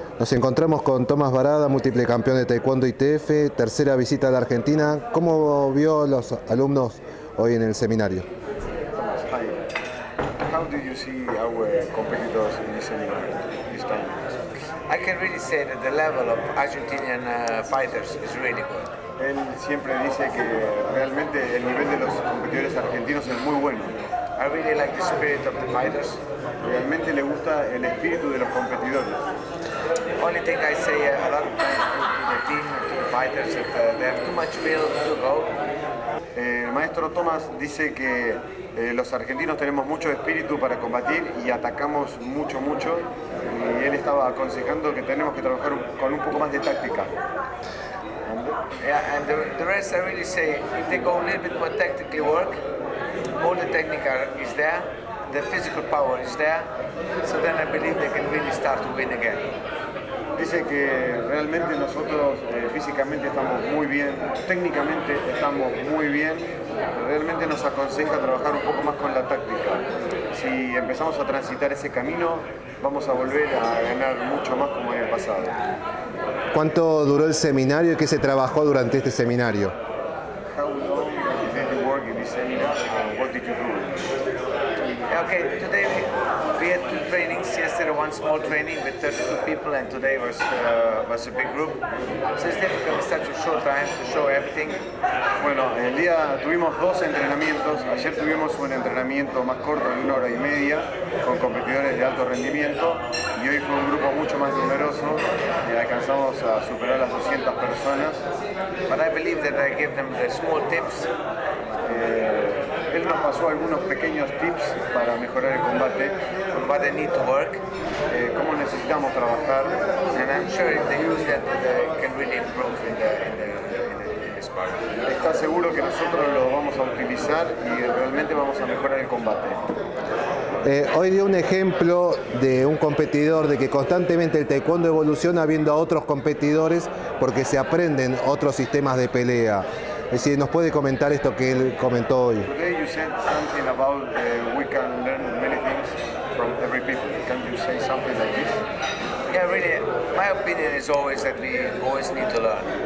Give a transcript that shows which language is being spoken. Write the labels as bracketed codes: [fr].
[es] Nos encontramos con Tomás Barada, múltiple campeón de Taekwondo ITF, tercera visita a la Argentina. ¿Cómo vio a los alumnos hoy en el seminario? [en] How do you see our competitors in this seminar this time? I can really say that the level of Argentinian fighters is really good. [es] Él siempre dice que realmente el nivel de los competidores argentinos es muy bueno. [en] I really like the spirit of the fighters. [es] Realmente le gusta el espíritu de los competidores. [en] Only thing I say a lot of times to the team, to the fighters, that they have too much will to go. [es] El maestro Tomás dice que los argentinos tenemos mucho espíritu para combatir y atacamos mucho. Y él estaba aconsejando que tenemos que trabajar con un poco más de táctica. [en] Yeah, and the rest I really say, if they go a little bit more tactically work, all the technique is there, the physical power is there, so then I believe they can really start to win again. [es] Dice que realmente nosotros físicamente estamos muy bien, técnicamente estamos muy bien, realmente nos aconseja trabajar un poco más con la táctica. Si empezamos a transitar ese camino, vamos a volver a ganar mucho más como en el pasado. ¿Cuánto duró el seminario y qué se trabajó durante este seminario? [en] How long did you work in this seminar and what did you do? Okay, today we had two trainings. Yesterday one small training with 32 people and today was a big group. So it's difficult in such a short time to show everything. [es] Bueno, el día tuvimos dos entrenamientos. Ayer tuvimos un entrenamiento más corto, de una hora y media, con competidores de alto rendimiento. Y hoy fue un grupo mucho más numeroso. Y alcanzamos a superar las 200 personas. [en] But I believe that I gave them the small tips. [es] Él nos pasó algunos pequeños tips para mejorar el combate. [en] What they need to work. [es] Cómo necesitamos trabajar. [en] And I'm sure if they use that, they can really improve in this part. [es] Está seguro que nosotros lo vamos a utilizar y realmente vamos a mejorar el combate. Hoy dio un ejemplo de un competidor de que constantemente el taekwondo evoluciona viendo a otros competidores porque se aprenden otros sistemas de pelea. Si nos puede comentar esto que él comentó hoy. [en] Today you said something about we can learn many things from every people. Can you say something like this? Yeah, really. My opinion is always that we always need to learn.